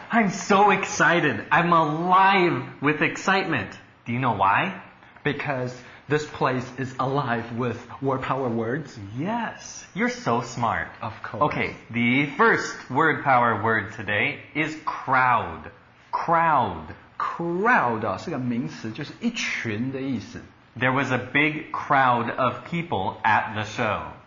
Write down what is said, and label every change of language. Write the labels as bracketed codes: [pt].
[en] I'm so excited! I'm alive with excitement! Do you know why? Because this place is alive with word power words. Yes! You're so smart. Of course. Okay, the first word power word today is crowd. Crowd [zh] 啊，是个名词，就是一群的意思。 [en] There was a big crowd of people at the show.